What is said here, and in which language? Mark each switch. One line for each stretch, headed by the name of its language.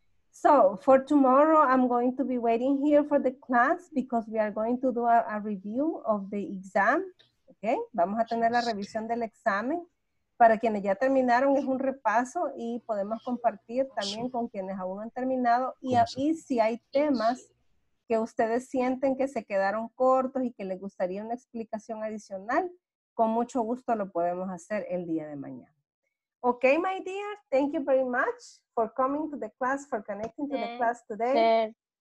English: So, for tomorrow, I'm going to be waiting here for the class because we are going to do a review of the exam, okay?
Spanish: Vamos a tener la revisión del examen. Para quienes ya terminaron, es un repaso y podemos compartir también con quienes aún no han terminado. Y si hay temas que ustedes sienten que se quedaron cortos y que les gustaría una explicación adicional, con mucho gusto lo podemos hacer el día de mañana.
English: Okay, my dear, thank you very much for coming to the class, for connecting to the class today.